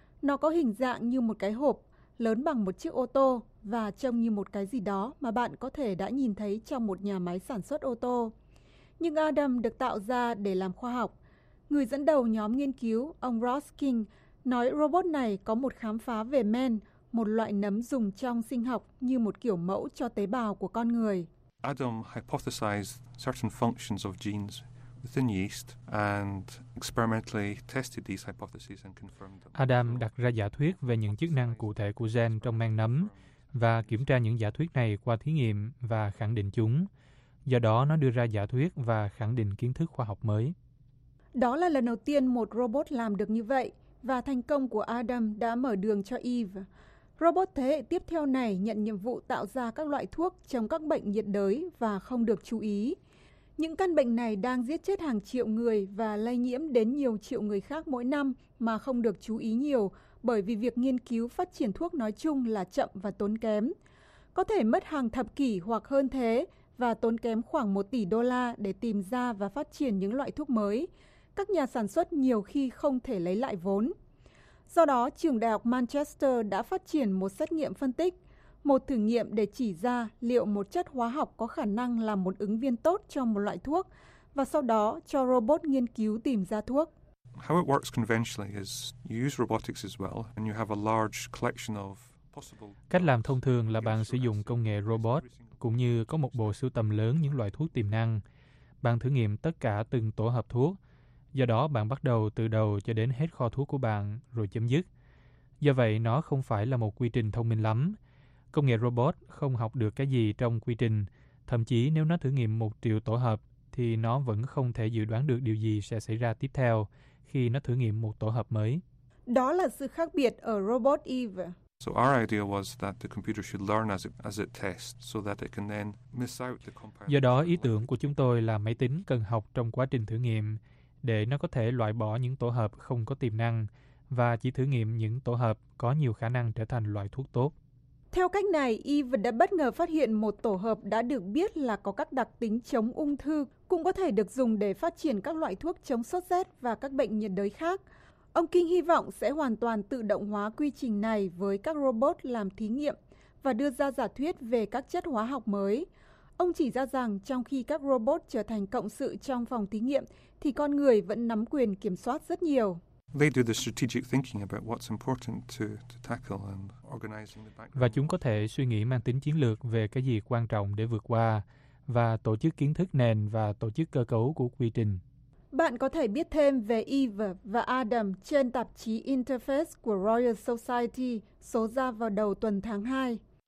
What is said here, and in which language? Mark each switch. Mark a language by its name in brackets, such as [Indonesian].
[Vietnamese] Nó có hình dạng như một cái hộp, lớn bằng một chiếc ô tô và trông như một cái gì đó mà bạn có thể đã nhìn thấy trong một nhà máy sản xuất ô tô. Nhưng Adam được tạo ra để làm khoa học. Người dẫn đầu nhóm nghiên cứu, ông Ross King, nói robot này có một khám phá về men, một loại nấm dùng trong sinh học như một kiểu mẫu cho tế bào của con người. [English] Adam hypothesized certain functions of genes within yeast and experimentally tested these hypotheses and confirmed them. [Vietnamese] Adam đặt ra giả thuyết về những chức năng cụ thể của gen trong men nấm và kiểm tra những giả thuyết này qua thí nghiệm và khẳng định chúng. Do đó nó đưa ra giả thuyết và khẳng định kiến thức khoa học mới. Đó là lần đầu tiên một robot làm được như vậy. Và thành công của Adam đã mở đường cho Eve. Robot thế hệ tiếp theo này nhận nhiệm vụ tạo ra các loại thuốc chống các bệnh nhiệt đới và không được chú ý. Những căn bệnh này đang giết chết hàng triệu người và lây nhiễm đến nhiều triệu người khác mỗi năm mà không được chú ý nhiều bởi vì việc nghiên cứu phát triển thuốc nói chung là chậm và tốn kém. Có thể mất hàng thập kỷ hoặc hơn thế và tốn kém khoảng 1 tỷ đô la để tìm ra và phát triển những loại thuốc mới. Các nhà sản xuất nhiều khi không thể lấy lại vốn. Do đó, trường đại học Manchester đã phát triển một xét nghiệm phân tích, một thử nghiệm để chỉ ra liệu một chất hóa học có khả năng là một ứng viên tốt cho một loại thuốc và sau đó cho robot nghiên cứu tìm ra thuốc. [English] How it works conventionally is you use robotics as well and you have a large collection of possible. [Vietnamese] Cách làm thông thường là bạn sử dụng công nghệ robot cũng như có một bộ sưu tầm lớn những loại thuốc tiềm năng. Bạn thử nghiệm tất cả từng tổ hợp thuốc. Do đó, bạn bắt đầu từ đầu cho đến hết kho thuốc của bạn, rồi chấm dứt. Do vậy, nó không phải là một quy trình thông minh lắm. Công nghệ robot không học được cái gì trong quy trình. Thậm chí nếu nó thử nghiệm 1 triệu tổ hợp, thì nó vẫn không thể dự đoán được điều gì sẽ xảy ra tiếp theo khi nó thử nghiệm một tổ hợp mới. Đó là sự khác biệt ở robot Eve. [English] So our idea was that the computer should learn as it tests so that it can then miss out the compound. [Vietnamese] Do đó, ý tưởng của chúng tôi là máy tính cần học trong quá trình thử nghiệm, để nó có thể loại bỏ những tổ hợp không có tiềm năng và chỉ thử nghiệm những tổ hợp có nhiều khả năng trở thành loại thuốc tốt. Theo cách này, Eve đã bất ngờ phát hiện một tổ hợp đã được biết là có các đặc tính chống ung thư, cũng có thể được dùng để phát triển các loại thuốc chống sốt rét và các bệnh nhiệt đới khác. Ông King hy vọng sẽ hoàn toàn tự động hóa quy trình này với các robot làm thí nghiệm và đưa ra giả thuyết về các chất hóa học mới. Ông chỉ ra rằng trong khi các robot trở thành cộng sự trong phòng thí nghiệm, thì con người vẫn nắm quyền kiểm soát rất nhiều. [English] They do the strategic thinking about what's important to tackle and organizing the background. [Vietnamese] Và chúng có thể suy nghĩ mang tính chiến lược về cái gì quan trọng để vượt qua và tổ chức kiến thức nền và tổ chức cơ cấu của quy trình. Bạn có thể biết thêm về Eve và Adam trên tạp chí Interface của Royal Society số ra vào đầu tuần tháng 2.